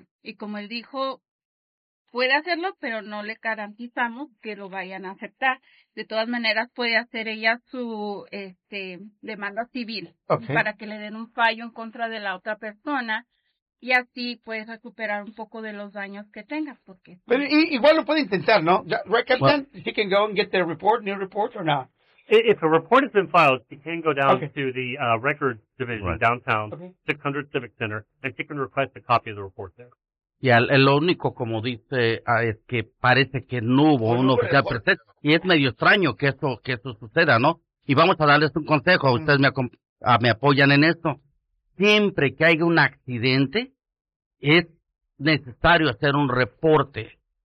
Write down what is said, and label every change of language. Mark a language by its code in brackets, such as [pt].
[es] Y como él dijo, puede hacerlo, pero no le garantizamos que lo vayan a aceptar. De todas maneras, puede hacer ella su demanda civil, [en] okay, [es] para que le den un fallo en contra de la otra persona y así puede recuperar un poco de los daños que tenga. Porque pero igual lo puede intentar, ¿no? [en] Right, Captain? Well, she can go and get the report, new report or not? If a report has been filed, she can go down, okay, to the record division, right, downtown, okay, 600 Civic Center, and she can request a copy of the report there. [es] Y lo único, como dice, es que parece que no hubo un oficial presente. Y es medio extraño que eso suceda, ¿no? Y vamos a darles un consejo. Ustedes me apoyan en esto. Siempre que haya un accidente, es necesario hacer un reporte.